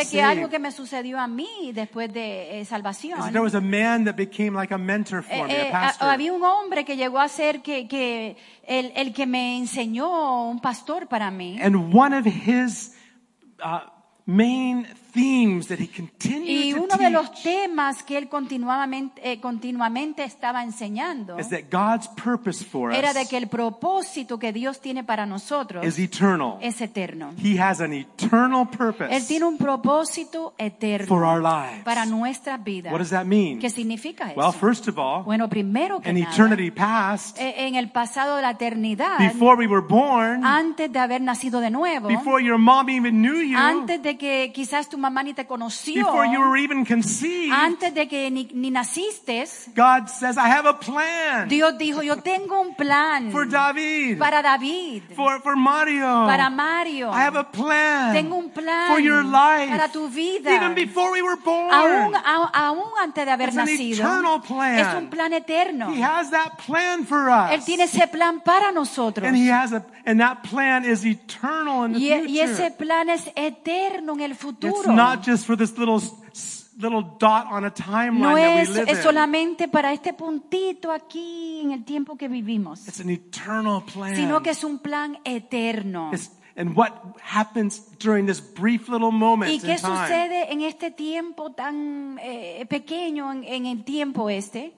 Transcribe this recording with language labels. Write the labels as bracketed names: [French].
[Spanish] Yo sé que algo que me sucedió a mí después de salvación. [English] There was a man that became like a mentor for me, a pastor. [Spanish] Había un hombre que llegó a ser que el que me enseñó, un pastor para mí. [English] And one of his main themes that he continued [Spanish] y uno [English] to [Spanish] de los temas que él continuamente estaba enseñando [English] is that God's purpose for us [Spanish] era de que el propósito que Dios tiene para nosotros [English] is eternal. [Spanish] Es eterno. [English] He has an eternal purpose [Spanish] él tiene un propósito eterno [English] for our lives. [Spanish] Para nuestras vidas. [English] What does that mean? [Spanish] ¿Qué significa eso? [English] Well, first of all, [Spanish] bueno, primero que [English] an [Spanish] nada, [English] eternity past, [Spanish] en el pasado de la eternidad [English] before we were born, [Spanish] antes de haber nacido de nuevo [English] before your mom even knew you, [Spanish] antes de que quizás tu mamá ni te conoció [English] before you were even conceived, [Spanish] antes de que ni naciste. [English] God says, I have a plan. [Spanish] Dios dijo, yo tengo un plan [English] for David, [Spanish] para David, [English] for Mario, [Spanish] para Mario. [English] I have a plan, [Spanish] tengo un plan [English] for your life, [Spanish] para tu vida. [English] Even before we were born, [Spanish] aún antes de haber nacido, [English] an eternal plan. [Spanish] Es un plan eterno. [English] He has that plan for us. [Spanish] Él tiene ese plan para nosotros. [English] And he has and that plan is eternal in the future. [Spanish] Y ese plan es eterno en el futuro. [English] It's not just for this little dot on a timeline [Spanish] no es, [English] that we live in. [Spanish] Es solamente para este puntito aquí en el tiempo que vivimos. [English] It's an eternal plan. [Spanish] Sino que es un plan eterno. [English] And what happens during this brief little moment in time? [Spanish] ¿Y qué sucede en este tiempo tan pequeño en el tiempo este?